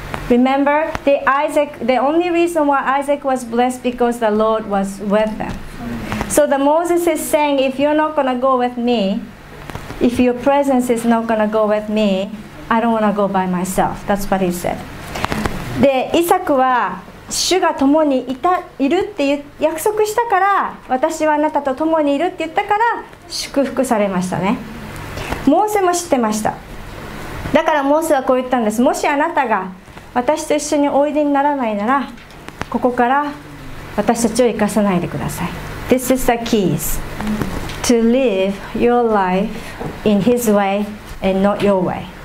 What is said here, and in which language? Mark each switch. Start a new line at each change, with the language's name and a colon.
English: Remember, the only reason why Isaac was blessed because the Lord was with them. So the Moses is saying, if you're not going to go with me, if your presence is not going to go with me, I don't want to go by myself. That's what he said.
Japanese: で、イサクは主が共にいるって約束したから、私はあなたと共にいるって言ったから祝福されましたね。モーセも知ってました。だからモーセはこう言ったんです。もしあなたが私と一緒においでにならないならここから私たちを生かさないでください。
English: This is the keys to live your life in his way and not your way.